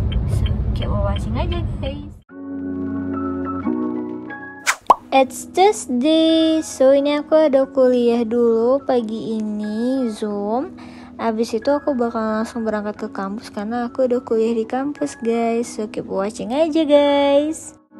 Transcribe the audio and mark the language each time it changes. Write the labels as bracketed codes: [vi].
[en] So keep watching aja guys. It's Tuesday. [id] So ini aku ada kuliah dulu pagi ini, Zoom. Abis itu aku bakal langsung berangkat ke kampus karena aku udah kuliah di kampus guys. [en] So keep watching aja guys.